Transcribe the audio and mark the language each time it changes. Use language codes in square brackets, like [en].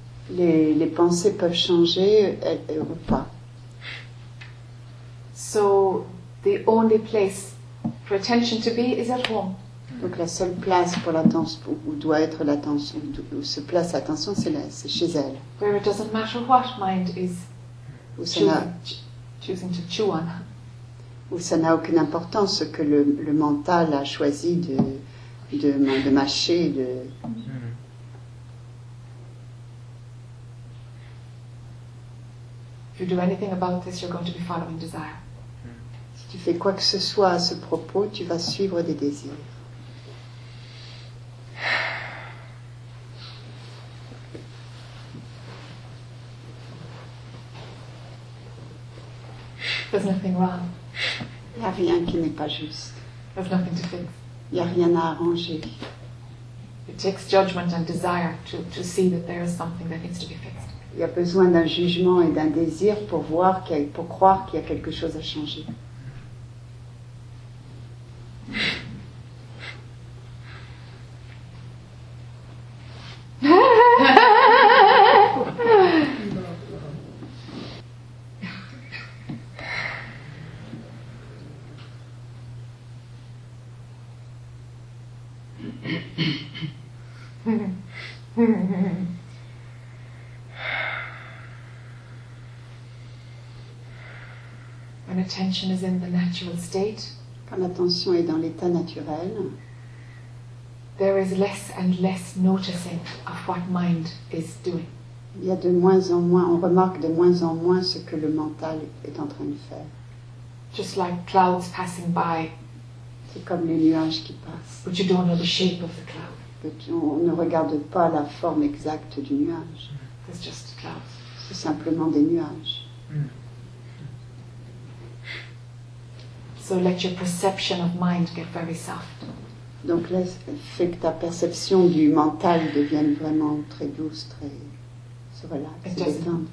[fr] Les pensées peuvent changer ou pas. [en] So the only place for attention to be is at home. [fr] Donc la seule place pour l'attention où doit être l'attention où se place l'attention c'est chez elle. [en] Where it doesn't matter what mind is choosing to chew on. [fr] Où ça n'a aucune importance ce que le mental a choisi de mâcher de [en] If you do anything about this you're going to be following desire. [fr] Si tu fais quoi que ce soit à ce propos, tu vas suivre des désirs. [en] There's nothing wrong. [fr] Il y a rien qui n'est pas juste. [en] There's nothing to fix. [fr] Il n'y a rien à arranger. [en] It takes judgment and desire to see that there is something that needs to be fixed. [fr] Il y a besoin d'un jugement et d'un désir pour voir qu'il y a, pour croire qu'il y a quelque chose à changer. [en] When attention is in the natural state, [fr] quand l'attention est dans l'état naturel, [en] there is less and less noticing of what mind is doing. [fr] Il y a de moins en moins, on remarque de moins en moins ce que le mental est en train de faire. [en] Just like clouds passing by. [fr] C'est comme les nuages qui passent. [en] But you don't know the shape of the cloud. [fr] On ne regarde pas la forme exacte du nuage. [en] It's just clouds. [fr] C'est simplement des nuages. [en] So let your perception of mind get very soft. [fr] Donc laisse fait que ta perception du mental devienne vraiment très douce, très se relaxe, se détende.